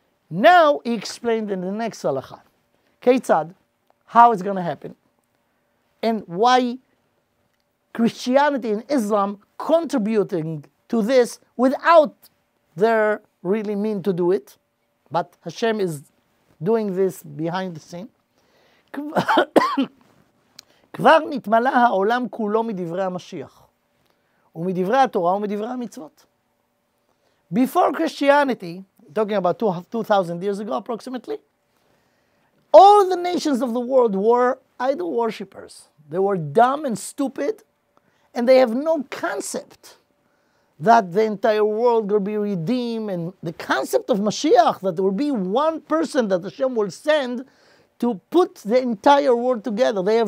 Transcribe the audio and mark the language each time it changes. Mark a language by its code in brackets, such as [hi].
[en] Now he explained in the next halacha, Keitzad, how it's going to happen, and why Christianity and Islam contributing to this without their really mean to do it, but Hashem is doing this behind the scene. [he] כבר נתמלא העולם כולו מדברי המשיח. ומדברי התורה ומדברי המצוות. [en] Before Christianity, talking about 2,000 years ago approximately, all the nations of the world were idol worshippers. They were dumb and stupid, and they have no concept that the entire world will be redeemed, and the concept of Mashiach, that there will be one person that Hashem will send to put the entire world together.